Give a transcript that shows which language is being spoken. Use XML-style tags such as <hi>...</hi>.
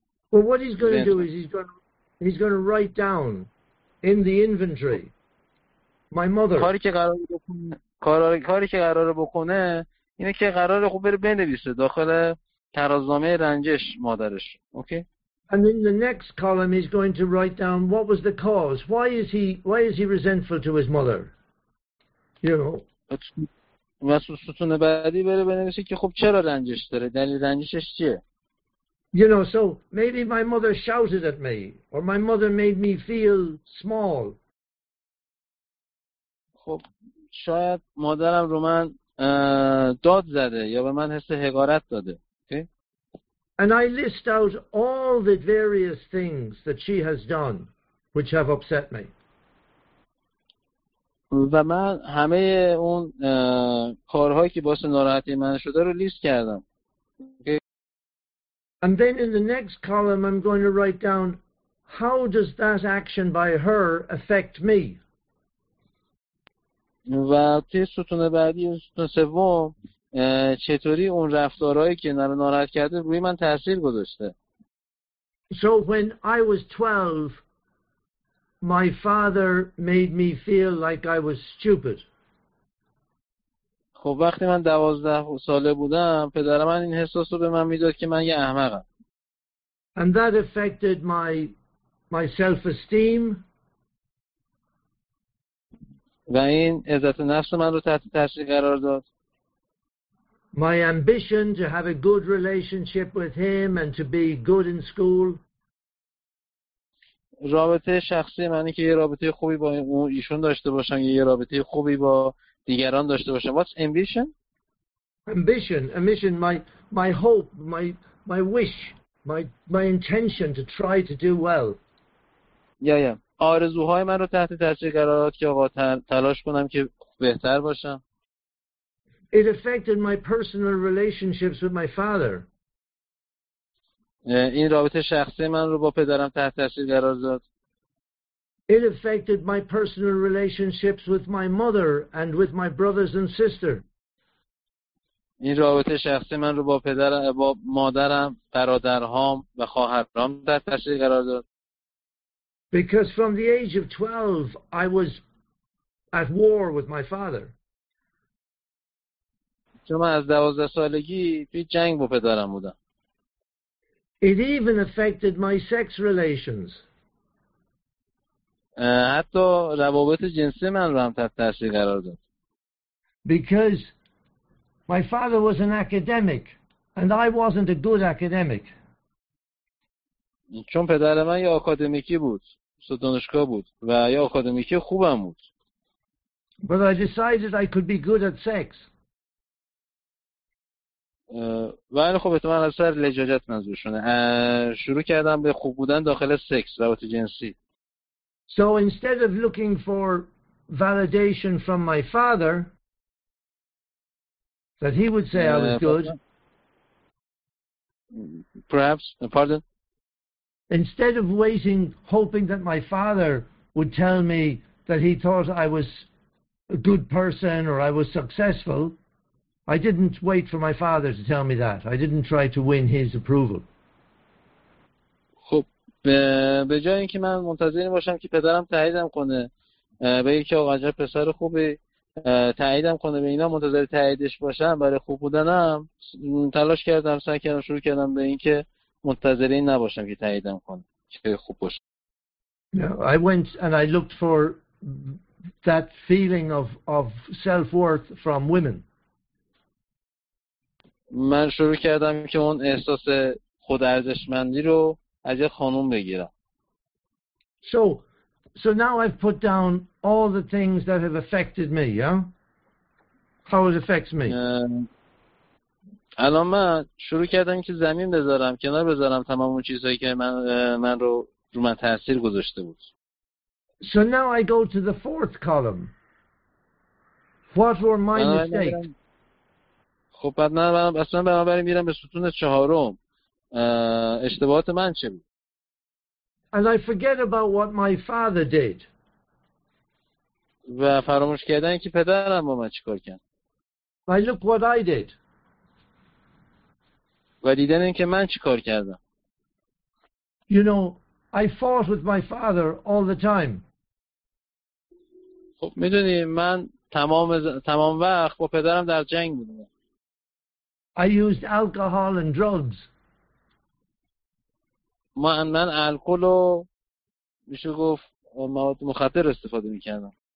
<en>Well, what he's going to do is he's going to write down in the inventory my mother.</en> <fa>کاری که قرار بکنه اینه که قرار خوب بره بنویسه داخل ترازنامه رنجش مادرش.</fa> <en>Okay. And in the next column he's going to write down what was the cause. Why is he resentful to his mother? You know.</en> <fa>واسه ستون بعدی بره بنویسه که خب چرا رنجش داره؟ دلیل رنجشش چیه؟</fa> <en>You know, so maybe my mother shouted at me, or my mother made me feel small.</en> <fa>خب شاید مادرم رو من داد زده یا به من حس حقارت داده.</fa> <en>Okay. And I list out all the various things that she has done, which have upset me.</en> <fa>و من همه اون کارهایی که باعث ناراحتی من شده رو لیست کردم.</fa> <en>Okay. And then in the next column, I'm going to write down how does that action by her affect me.</en> <fa>و توی ستون بعدی ستون سوم چطوری اون رفتارهایی که نرو ناراحت کرده روی من تاثیر گذاشته.</fa> <en>So when I was 12, my father made me feel like I was stupid.</en> <fa>خب وقتی من 12 ساله بودم پدر من این احساس رو به من میداد که من یه احمقم.</fa> <en>And that affected my self-esteem.</en> <fa>و این عزت نفس من رو تحت تاثیر قرار داد.</fa> <en>My ambition to have a good relationship with him and to be good in school.</en> <fa>رابطه شخصی من که یه رابطه خوبی با ایشون داشته باشم یه رابطه خوبی با دیگران داشته باشم.</fa> <en>What's ambition? Ambition, my hope, my wish, my intention to try to do well. Yeah.</en> <fa>آرزوهای من رو تحت تاثیر قرار داد که آقا تلاش کنم که بهتر باشم.</fa> <en>It affected my personal relationships with my father.</en> <fa>این رابطه شخصی من رو با پدرم تحت تاثیر قرار داد.</fa> <en>It affected my personal relationships with my mother and with my brothers and sister.</en> <fa>این رابطه شخصی من رو با پدرم، با مادرم، برادرهام و خواهرام در تاثیر قرار داد.</fa> <en>Because from the age of 12 I was at war with my father.</en> <fa>چون من از 12 سالگی توی جنگ با پدرم بودم.</fa> <en>It even affected my sex relations.</en> <fa>حتی روابط جنسی من رو هم تحت تاثیر قرار داد.</fa> <en>Because my father was an academic and I wasn't a good academic.</en> <fa>چون پدر من یه آکادمیکی بود، دانشگاه بود و یه آکادمیکی خوبم بود.</fa> <en>But I decided I could be good at sex.</en> <fa>ولی خب احتمال از سر لجاجت منظورشونه شروع کردم به خوب بودن داخل سکس روابط جنسی.</fa> <en>So instead of looking for validation from my father that he would say I was good, perhaps, pardon, instead of waiting hoping that my father would tell me that he thought I was a good person or I was successful, I didn't wait for my father to tell me that. I didn't try to win his approval.</en> <fa>خب به جای اینکه من منتظر باشم که پدرم تاییدم کنه به اینکه آقا جان پسر خوبی تاییدم کنه به اینا منتظر تاییدش باشم برای خوب بودنم تلاش کردم سعی کردم شروع کردم به اینکه منتظر این نباشم که تاییدم کنه که خوب باشم.</fa> <en>I went and I looked for that feeling of self-worth from women.</en> <fa>من شروع کردم که اون احساس خودارزشمندی رو از یه خانوم بگیرم.</fa> <en>So now I've put down all the things that have affected me, yeah? How it affects me.</en> <fa>الان من شروع کردم که زمین بذارم، کنار بذارم تمام اون چیزهایی که من رو رو من تأثیر گذاشته بود.</fa> <en>So now I go to the fourth column. What were my mistakes?</en> <fa>خب بعد من اصلا بنابراین میرم به ستون چهارم اشتباهات من چه بود؟</fa> <en>And I forget about what my father did.</en> <fa>و فراموش کردن که پدرم با من چی کار کرد.</fa> <en>I look what I did.</en> <fa>و دیدن این که من چی کار کردم.</fa> <en>You know, I fought with my father all the time.</en> <fa>خب میدونی من تمام وقت با پدرم در جنگ بودم.</fa> <en>I used alcohol and drugs.</en> <fa>من الکل و میشه گفت مواد مخدر استفاده میکردم.</fa>